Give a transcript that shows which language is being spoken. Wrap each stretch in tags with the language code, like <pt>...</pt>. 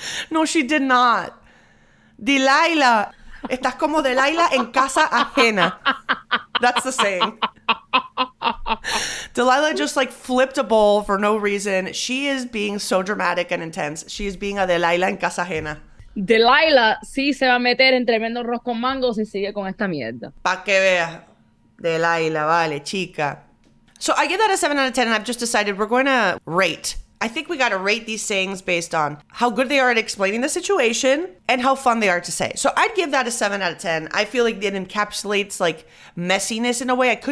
<en>No, she did not. Delilah.</en> <es>Estás como Delilah en casa ajena.</es> <en>That's the saying. Delilah just like flipped a bowl for no reason. She is being so dramatic and intense. She is being a Delilah</en> <es>en casa ajena. Delilah sí se va a meter en tremendo arroz con mango si sigue con esta mierda. Pa' que vea. Delilah, vale, chica.</es> <en>So I give that a 7 out of 10, and I've just decided we're going to rate. I think we got to rate these sayings based on how good they are at explaining the situation and how fun they are to say. So I'd give that a 7 out of 10. I feel like it encapsulates like messiness in a way.</en>